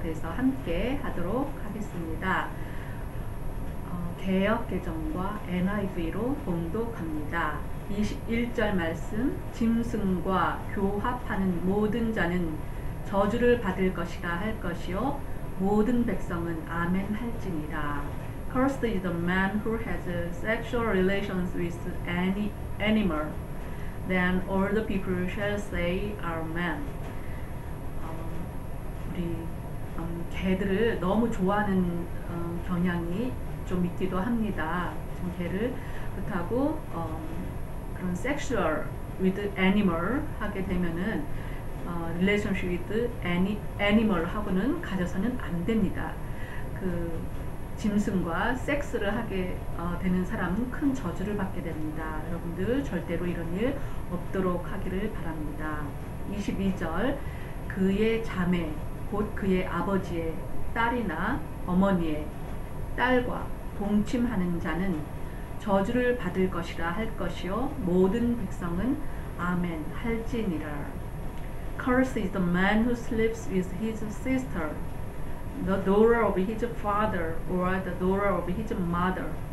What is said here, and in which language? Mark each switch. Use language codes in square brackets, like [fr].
[ko] 그래서 함께 하도록 하겠습니다. 개역개정과 NIV로 봉독합니다. 21절 말씀, 짐승과 교합하는 모든 자는 저주를 받을 것이라 할 것이요 모든 백성은 아멘 할지니라. [en] Cursed is the man who has a sexual relations with any animal. Then all the people shall say, Amen. [ko] 우리 개들을 너무 좋아하는 경향이 좀 있기도 합니다. 좀 개를 그렇다고 그런 [en] sexual with animal [ko] 하게 되면은 [en] relationship with animal [ko] 하고는 가져서는 안 됩니다. 그 짐승과 섹스를 하게 되는 사람은 큰 저주를 받게 됩니다. 여러분들 절대로 이런 일 없도록 하기를 바랍니다. 22절 그의 자매 곧 그의 아버지의 딸이나 어머니의 딸과 동침하는 자는 저주를 받을 것이라 할 것이요 모든 백성은 아멘 할지니라. [en] Cursed is the man who sleeps with his sister, the daughter of his father, or the daughter of his mother.